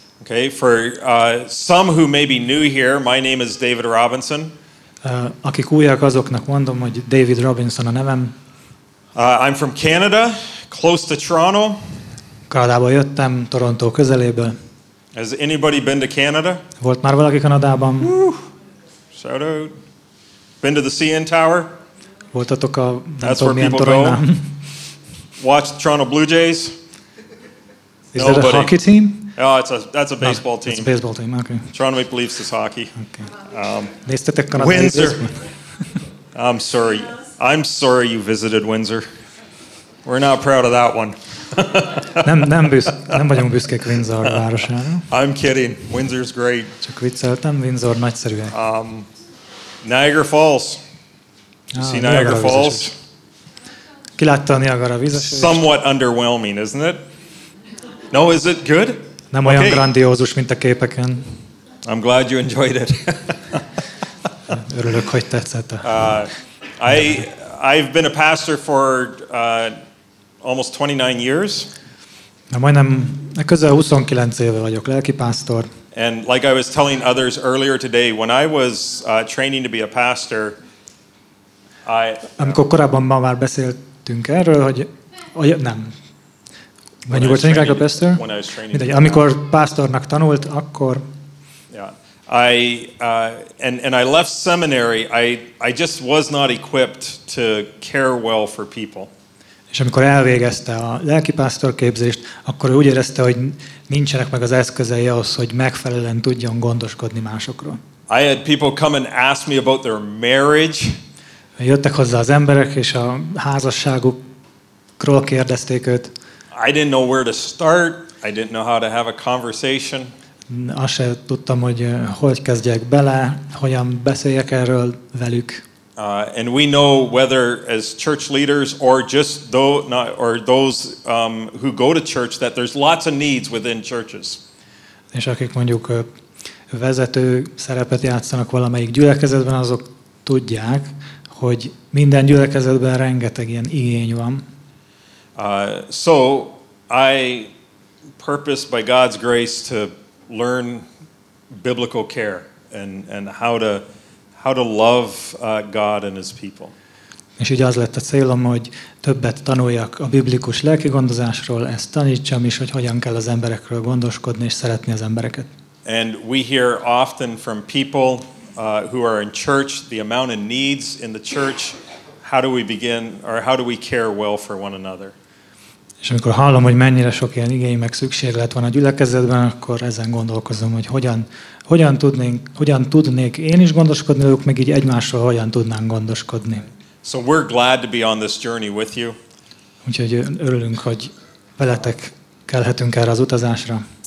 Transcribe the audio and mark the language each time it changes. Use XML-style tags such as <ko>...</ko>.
<en>Okay, for some who may be new here, my name is David Robinson.</en> <hu>Akik újak, azoknak mondom, hogy David Robinson a nevem.</hu> <en>I'm from Canada, close to Toronto.</en> <hu>Kanadába jöttem, Toronto közeléből.</hu> <en>Has anybody been to Canada?</en> <hu>Volt már valaki Kanadában?</hu> <en>Shout out. Been to the CN Tower?</en> <hu>Voltatok a nem tudom milyen toronynál.</hu> <en>Watch the Toronto Blue Jays? Is that a hockey team? Oh, that's a baseball team. It's a baseball team, okay. Toronto Maple Leafs is hockey.</en> <hu>Néztetek Kanadai</hu> <en>Windsor. Baseball. I'm sorry you visited Windsor. We're not proud of that one.</en> <hu>nem vagyunk büszkék Windsor városára.</hu> <en>I'm kidding. Windsor's great.</en> <hu>Csak vicceltem, Windsor nagyszerű.</hu> <en>Niagara Falls. You see Niagara Falls?</en> <hu>Ki látta a Niagara vízesést?</hu> <en>Somewhat underwhelming, isn't it? No, is it good?</en> <hu>Nem olyan grandiózus, mint a képeken.</hu> <en>I'm glad you enjoyed it.</en> <hu>Örülök, hogy tetszett.</hu> <en>I've been a pastor for almost 29 years.</en> <hu>Majdnem közel 29 éve vagyok lelkipásztor.</hu> <en>And like I was telling others earlier today, when I was training to be a pastor,</en> <hu>amikor korábban ma már beszéltünk erről, hogy</hu> <en>when you were training like a pastor,</en> <hu>amikor pásztornak tanult, akkor.</hu> <en>I left seminary. I just was not equipped to care well for people.</en> <hu>És amikor elvégezte a lelkipásztor képzést, akkor ő úgy érezte, hogy nincsenek meg az eszközei ahhoz, hogy megfelelően tudjon gondoskodni másokról.</hu> <en>I had people come and ask me about their marriage.</en> <hu>Jöttek hozzá az emberek, és a házasságukról kérdezték őt.</hu> <en>I didn't know where to start. I didn't know how to have a conversation.</en> <hu>Azt sem tudtam, hogy hogy kezdjek bele, hogyan beszéljek erről velük.</hu> <en>And we know whether as church leaders or just those who go to church that there's lots of needs within churches.</en> <hu>És akik mondjuk vezető szerepet játszanak valamelyik gyülekezetben, azok tudják, hogy minden gyülekezetben rengeteg ilyen igény van. So</hu> <en>I purpose by God's grace to learn biblical care and how to love God and his people.</en> <hu>És ugye az lett a célom, hogy többet tanuljak a biblikus lelkigondozásról, ezt tanítsam is, hogy hogyan kell az emberekről gondoskodni és szeretni az embereket.</hu> <en>And we hear often from people who are in church the amount of needs in the church. How do we begin, or how do we care well for one another?</en> <hu>És amikor hallom, hogy mennyire sok ilyen igény meg szükséglet van a gyülekezetben, akkor ezen gondolkozom, hogy hogyan tudnék én is gondoskodni ők, meg így egymásról hogyan tudnánk gondoskodni.</hu> <en>So we're glad to be on this journey with you.</en> <hu>Úgyhogy örülünk, hogy veletek kelhetünk erre az utazásra.</hu>